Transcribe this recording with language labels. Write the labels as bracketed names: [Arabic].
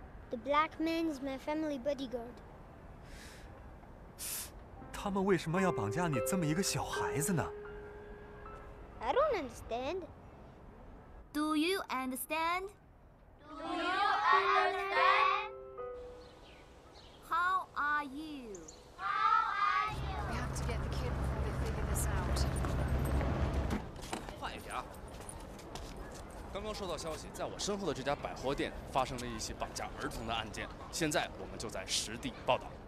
[English] The black man is my family bodyguard. [Chinese] 他们为什么要绑架你这么一个小孩子呢？ [English] I don't understand. Do you understand? Do you understand? How are you? We have to get the kid before they figure this out. [Chinese] 换一点。刚刚收到消息，在我身后的这家百货店发生了一起绑架儿童的案件，现在我们就在实地报道。